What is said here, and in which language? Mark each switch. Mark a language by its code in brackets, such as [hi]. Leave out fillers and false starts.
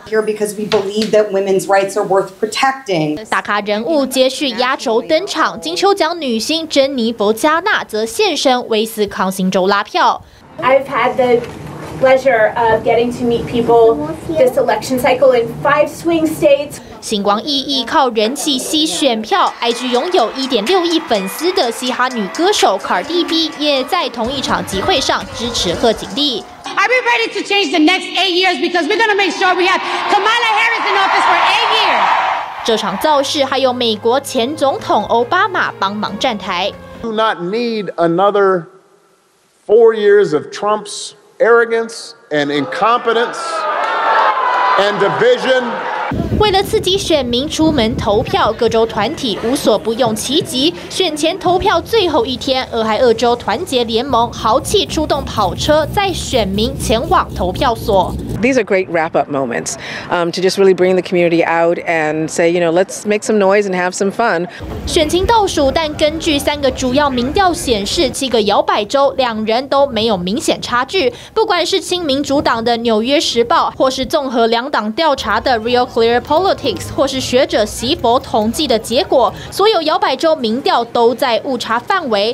[en] Here because we believe that women's rights are worth protecting。 [zh] 大咖人物接续压轴登场，金球奖女星珍妮佛·加纳则现身威斯康星州拉票。 [en] I've had the pleasure of getting to meet people this election cycle in 5 swing states。 [zh] 星光熠熠靠人气吸选票 ，IG 拥有 1.6 亿粉丝的嘻哈女歌手 Cardi B 也在同一场集会上支持贺锦丽。 [en] Are we ready to change the next 8 years? Because we're gonna make sure we have Kamala Harris in office for 8 years. [zh] 这场造势还有美国前总统奥巴马帮忙站台。 [en] Do not need another 4 years of Trump's arrogance and incompetence and division. [zh] 为了刺激选民出门投票，各州团体无所不用其极。选前投票最后一天，俄亥俄州团结联盟豪气出动跑车，载选民前往投票所。 [en] These are great wrap-up moments, to just really bring the community out and say, you know, let's make some noise and have some fun. [zh] 选情倒数，但根据三个主要民调显示，七个摇摆州两人都没有明显差距。不管是亲民主党的《纽约时报》，或是综合两党调查的 Real Clear Politics， 或是学者席佛统计的结果，所有摇摆州民调都在误差范围。